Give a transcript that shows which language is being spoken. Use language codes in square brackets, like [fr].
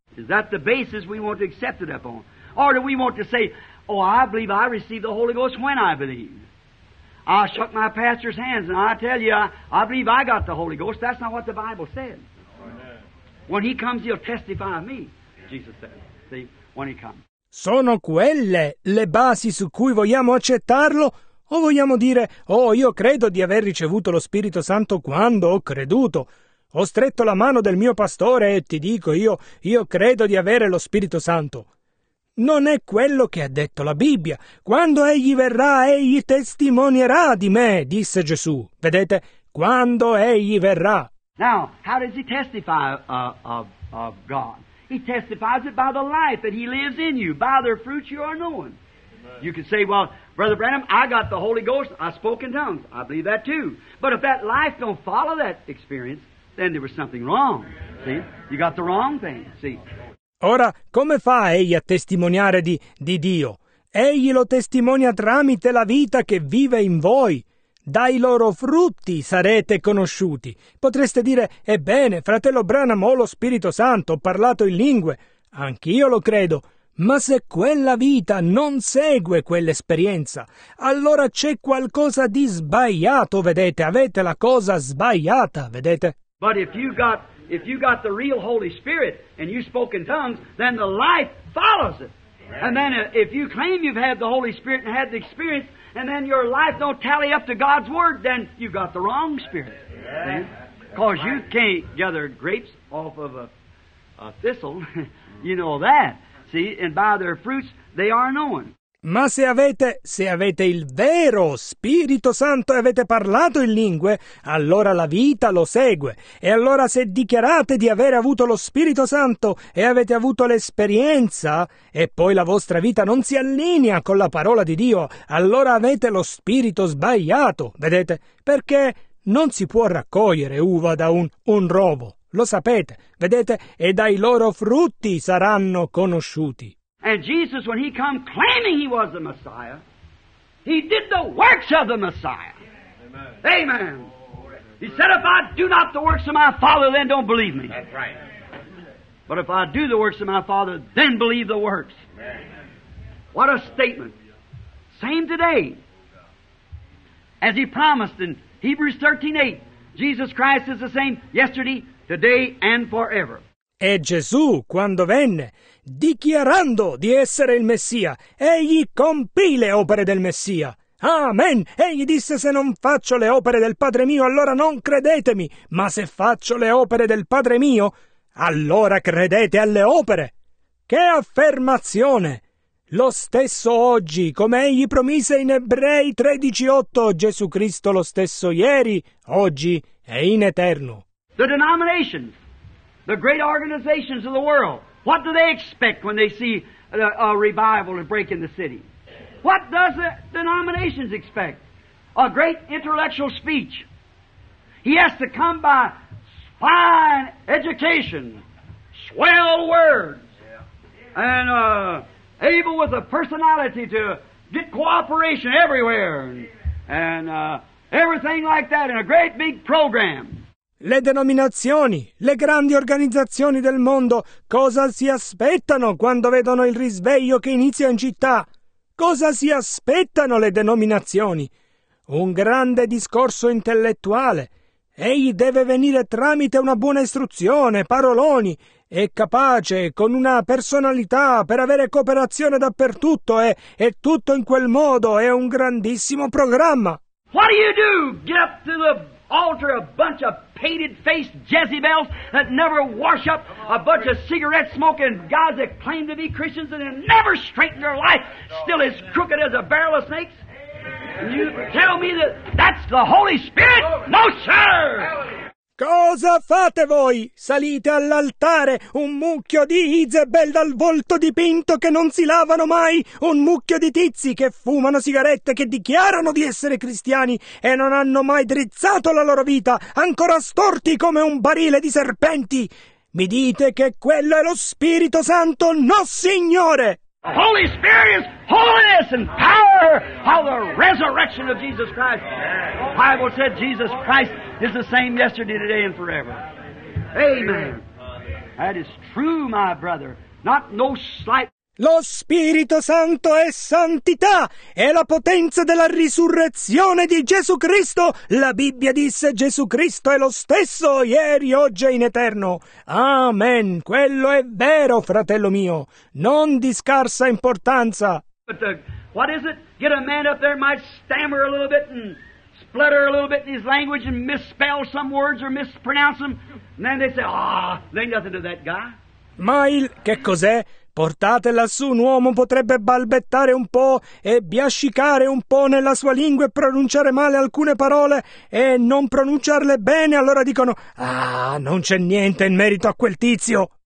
[en] Is that the basis we want to accept it upon? Or do we want to say, oh, I believe I received the Holy Ghost when I believe? I shook my pastor's hands and I tell you, I believe I got the Holy Ghost. That's not what the Bible said. When he comes, he'll testify of me, Jesus said. See, when he comes. [it] Sono quelle le basi su cui vogliamo accettarlo? O vogliamo dire, oh, io credo di aver ricevuto lo Spirito Santo quando ho creduto? Ho stretto la mano del mio pastore e ti dico, io credo di avere lo Spirito Santo. Non è quello che ha detto la Bibbia. Quando egli verrà, egli testimonierà di me, disse Gesù. Vedete, quando egli verrà. [en] Now, how does he testify of God? He testifies it by the life that he lives in you, by the fruits you are known. You can say, well, Brother Branham, I got the Holy Ghost, I spoke in tongues. I believe that too. But if that life don't follow that experience, then there was something wrong. See? You got the wrong thing. See? [it] Ora, come fa egli a testimoniare di Dio? Egli lo testimonia tramite la vita che vive in voi. Dai loro frutti sarete conosciuti. Potreste dire, ebbene, fratello Branham, ho lo Spirito Santo, ho parlato in lingue. Anch'io lo credo. Ma se quella vita non segue quell'esperienza, allora c'è qualcosa di sbagliato, vedete? Avete la cosa sbagliata, vedete? [en] But if you got the real Holy Spirit and you spoke in tongues, then the life follows it. And then if you claim you've had the Holy Spirit and had the experience, and then your life don't tally up to God's Word, then you got the wrong spirit. Because you can't gather grapes off of a thistle. You know that. See, and by their fruits, they are known. [it] Ma se avete il vero Spirito Santo e avete parlato in lingue, allora la vita lo segue. E allora se dichiarate di aver avuto lo Spirito Santo e avete avuto l'esperienza, e poi la vostra vita non si allinea con la parola di Dio, allora avete lo Spirito sbagliato, vedete? Perché non si può raccogliere uva da un rovo, lo sapete, vedete? E dai loro frutti saranno conosciuti. [en] And Jesus, when he come claiming he was the Messiah, he did the works of the Messiah. Amen. Amen. He said, if I do not the works of my Father, then don't believe me. That's right. But if I do the works of my Father, then believe the works. Amen. What a statement. Same today. as He promised in Hebrews 13:8. Jesus Christ is the same yesterday, today and forever. [it] E Gesù, quando venne, dichiarando di essere il Messia, egli compì le opere del Messia. Amen! Egli disse, se non faccio le opere del Padre mio, allora non credetemi, ma se faccio le opere del Padre mio, allora credete alle opere. Che affermazione! Lo stesso oggi, come egli promise in Ebrei 13:8, Gesù Cristo lo stesso ieri, oggi e in eterno. [en] The denominations, the great organizations of the world, what do they expect when they see a revival and break in the city? What does the denominations expect? A great intellectual speech. He has to come by fine education, swell words, and able with a personality to get cooperation everywhere, and everything like that, and a great big program. [it] Le denominazioni, le grandi organizzazioni del mondo, cosa si aspettano quando vedono il risveglio che inizia in città? Cosa si aspettano le denominazioni? Un grande discorso intellettuale. Egli deve venire tramite una buona istruzione, paroloni, è capace, con una personalità, per avere cooperazione dappertutto, e tutto in quel modo, è un grandissimo programma. [en] What do you do? Get up to the altar, a bunch of painted-faced Jezebels that never wash up, a bunch of cigarette-smoking guys that claim to be Christians and have never straightened their life, still as crooked as a barrel of snakes? You tell me that that's the Holy Spirit? No, sir! [it] Cosa fate voi? Salite all'altare, un mucchio di Izebel dal volto dipinto che non si lavano mai, un mucchio di tizi che fumano sigarette, che dichiarano di essere cristiani e non hanno mai drizzato la loro vita, ancora storti come un barile di serpenti. Mi dite che quello è lo Spirito Santo? No, Signore! [en] The Holy Spirit is holiness and power of the resurrection of Jesus Christ. The Bible said Jesus Christ is the same yesterday, today, and forever. Amen. That is true, my brother. Not no slight. [it] Lo Spirito Santo è santità, è la potenza della risurrezione di Gesù Cristo. La Bibbia disse Gesù Cristo è lo stesso ieri, oggi e in eterno. Amen. Quello è vero, fratello mio. Non di scarsa importanza. [en] But the, what is it? Get a man up there might stammer a little bit and splutter a little bit in his language and misspell some words or mispronounce them. And then they say, they ain't nothing to that guy. [it] Ma il che cos'è? Portate lassù un uomo, potrebbe balbettare un po' e biascicare un po' nella sua lingua e pronunciare male alcune parole e non pronunciarle bene, allora dicono, non c'è niente in merito a quel tizio.